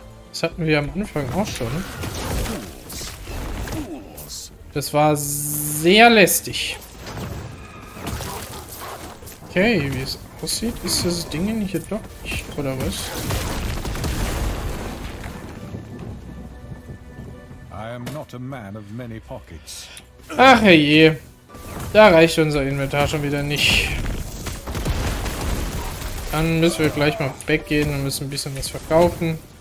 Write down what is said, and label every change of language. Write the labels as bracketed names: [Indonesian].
[German] Das hatten wir am Anfang auch schon. Das war sehr lästig. Okay, wie es aussieht, ist das Ding hier doch nicht, oder was? [English] I am not a man of many pockets. [German] Ach je, da reicht unser Inventar schon wieder nicht. Dann müssen wir gleich mal weggehen und müssen ein bisschen was verkaufen.